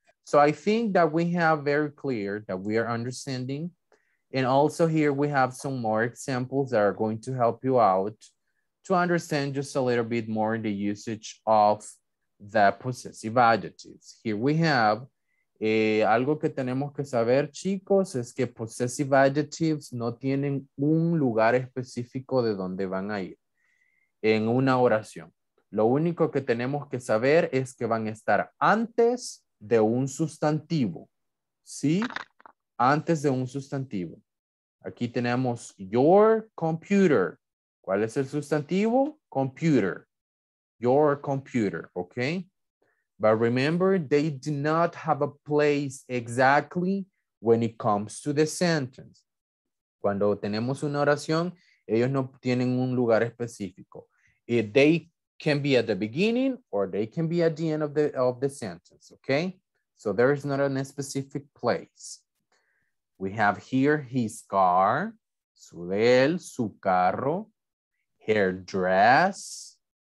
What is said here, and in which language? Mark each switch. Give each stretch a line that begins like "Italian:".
English: So I think that we have very clear that we are understanding. And also here we have some more examples that are going to help you out to understand just a little bit more the usage of the possessive adjectives. Here we have
Spanish: algo que tenemos que saber, chicos, es que possessive adjectives no tienen un lugar específico de donde van a ir en una oración. Lo único que tenemos que saber es que van a estar antes de un sustantivo, ¿sí? Antes de un sustantivo. Aquí tenemos your computer. ¿Cuál es el sustantivo? Computer. Your computer, ¿ok?
English: But remember, they do not have a place exactly when it comes to the sentence.
Spanish: Cuando tenemos una oración, ellos no tienen un lugar específico.
English: If they can be at the beginning or they can be at the end of the sentence, okay? So there is not a specific place. We have here his car,
Spanish: su carro,
English: her dress.